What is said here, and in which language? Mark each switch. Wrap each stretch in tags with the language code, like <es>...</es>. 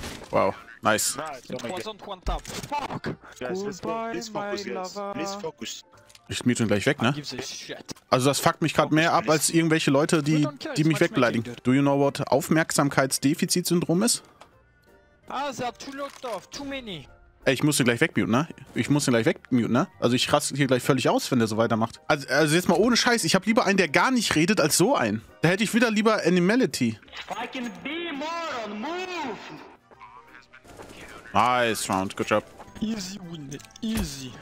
<en>Wow, nice. It wasn't one tap. Fuck! Guys, let's go. Please focus, lover. Please focus.</en> <de>Ich mute ihn gleich weg, ne? Also das fuckt mich gerade mehr ab als irgendwelche Leute, die mich wegbeleidigen.</de> <en>Do you know what Aufmerksamkeitsdefizitsyndrom ist? Ah, there are two locked off, too many.</en> <de>Ey, ich muss ihn gleich wegmuten, ne? Also ich raste hier gleich völlig aus, wenn der so weitermacht. Also jetzt mal ohne Scheiß, ich habe lieber einen, der gar nicht redet, als so einen. Da hätte ich wieder lieber Animality.</de> <en>Fucking be moron, move! Nice round, good job. Easy win, easy.</en>